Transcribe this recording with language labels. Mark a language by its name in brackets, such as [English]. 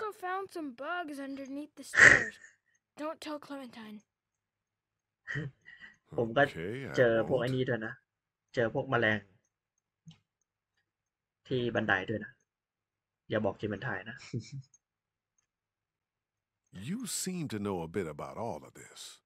[English] I also found some bugs underneath the stairs. Don't tell Clementine. [Thai] ผมก็ [English] okay, [Thai] เจอพวกอันนี้ด้วยนะเจอพวกแมลงที่บันไดด้วยนะอย่าบอกคลีเมนไทน์นะ [English] You seem to know a bit about all of this.